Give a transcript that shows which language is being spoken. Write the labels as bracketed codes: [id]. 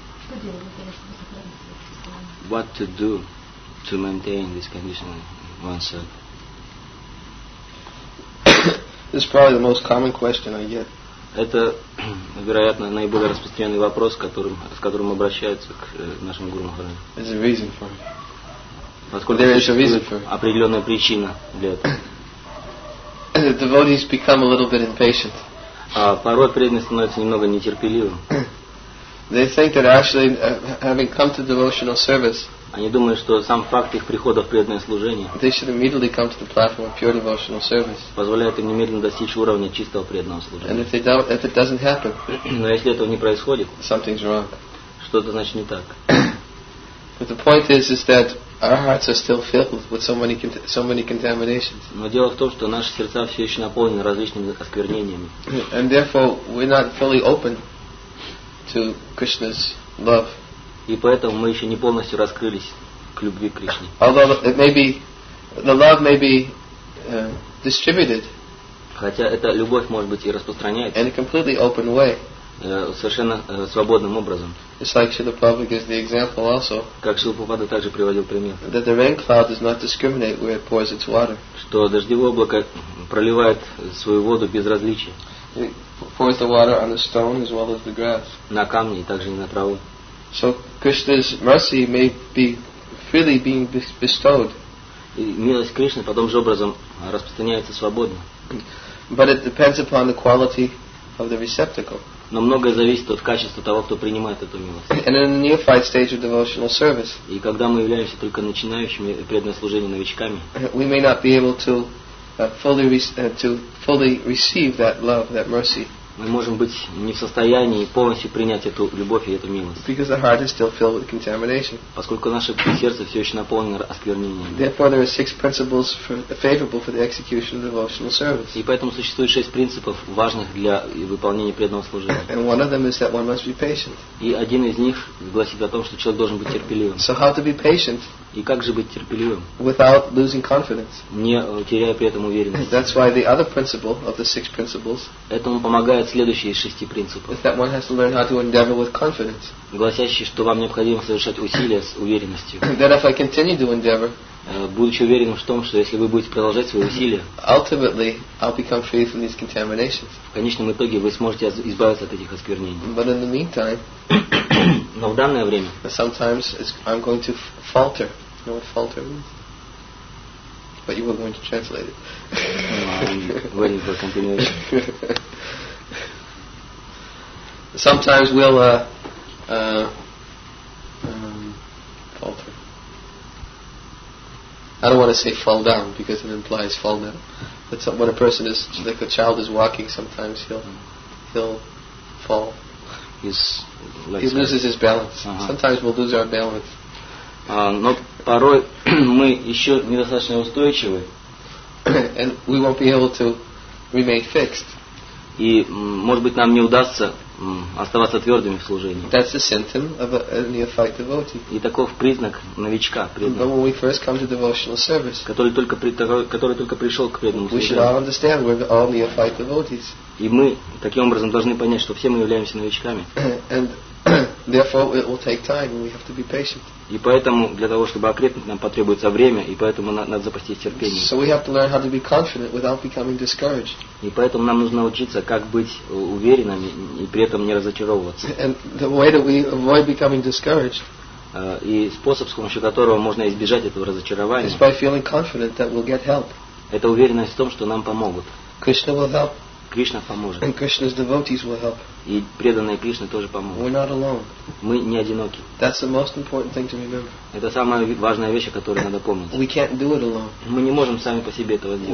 [en] What to do to maintain this condition oneself? This is probably the most common question I get. [ru] Это, вероятно, наиболее распространенный вопрос, с которым обращаются к нашим гуру Махараджу. [en] There's a reason for it. [ru] Поскольку [en] there is a reason for it. [ru] Определенная причина для этого. [en] The devotees become a little bit impatient. [ru] Порой преданные становятся немного нетерпеливым. [en] They think that actually having come to devotional service. [ru] Они думают, что сам факт их прихода в преданное служение. [en] They should immediately come to the platform of pure devotional service. [ru] Позволяет им немедленно достичь уровня чистого преданного служения. [en] And if they don't, if it doesn't happen. [ru] Но если этого не происходит. [en] Something's wrong. [ru] Что-то значит не так. [en] But the point is that our hearts are still filled with so many contaminations. [ru] Но дело в том, что наши сердца все еще наполнены различными осквернениями. [en] And therefore, we're not fully open to Krishna's love. [ru] И поэтому мы еще не полностью раскрылись к любви к Кришне. [en] Although it may be, the love may be distributed. [ru] Хотя эта любовь может быть и распространяется. [en] In a completely open way. [ru] Совершенно свободным образом. [en] It's like Srila Prabhupada gives the example also. [ru] Как Шрила Прабхупада также приводил пример. [en] That the rain cloud does not discriminate where it pours its water. [ru] Что дождевое облако проливает свою воду без различия. [en] It pours the water on the stone as well as the grass. [ru] На камни и также и на траву. [en] So Krishna's mercy may be freely being bestowed. [ru] И милость Кришны потом же образом распространяется свободно. [en] But it depends upon the quality of the receptacle. [ru] Но многое зависит от качества того, кто принимает эту милость. [en] And in the neophyte stage of devotional service. [ru] И когда мы являемся только начинающими преданное служение новичками. [en] We may not be able to fully receive that love, that mercy. [ru] Мы можем быть не в состоянии полностью принять эту любовь и эту милость. [en] Because our heart is still filled with contamination. [ru] Поскольку наше сердце все еще наполнено осквернением. [en] Therefore, there are six principles favorable for the execution of devotional service. [ru] И поэтому существует шесть принципов, важных для выполнения преданного служения. [en] And one of them is that one must be patient. [ru] И один из них гласит о том, что человек должен быть терпеливым. [en] So how to be patient? [ru] И как же быть терпеливым? [en] Without losing confidence. [ru] Не теряя при этом уверенность. [en] That's why the other principle of the six principles. [ru] Этому помогает следующий из шести принципов. [en] Is that one has to learn how to endeavor with confidence. [ru] Гласящий, что вам необходимо совершать усилия с уверенностью. [en] That if I continue to endeavor. [ru] Будучи уверенным в том, что если вы будете продолжать свои усилия. [en] Ultimately, I'll become free from these contaminations. [ru] В конечном итоге вы сможете избавиться от этих осквернений. [en] But in the meantime. [ru] Но в данное время. [en] Sometimes I'm going to falter. You know what falter means? But you were going to translate it. I'm waiting for continuation. Sometimes we'll falter. I don't want to say fall down because it implies fall down. But when a person is like a child is walking, sometimes he'll fall. He loses his balance. Uh-huh. Sometimes we'll lose our balance. [ru] Но порой мы еще недостаточно устойчивы. [en] And we won't be able to remain fixed. [ru] И, может быть, нам не удастся оставаться твердыми в служении. [en] That's a symptom of a neophyte devotee. [ru] И таков признак новичка, преданного. [en] But when we first come to devotional service, [ru] который только пришел к преданному служению. [en] We should all understand we're all neophyte devotees. [ru] И мы таким образом должны понять, что все мы являемся новичками. [en] And therefore it will take time and we have to be patient. [ru] И поэтому для того, чтобы окрепнуть, нам потребуется время, и поэтому надо запастись терпением. [en] So we have to learn how to be confident without becoming discouraged. [ru] И поэтому нам нужно учиться, как быть уверенными и при этом не разочаровываться. [en] And the way that we avoid becoming discouraged. [ru] И способ, с помощью которого можно избежать этого разочарования. [en] Is by feeling confident that we'll get help. [ru] Это уверенность в том, что нам помогут. [en] Krishna will help. [ru] Кришна поможет. [en] And Krishna's devotees will help. [ru] И преданные Кришны тоже помогут. [en] We're not alone. [ru] Мы не одиноки. [en] That's the most important thing to remember. [ru] Это самая важная вещь, о которой надо помнить. [en] We can't do it alone. [ru] Мы не можем сами по себе этого сделать.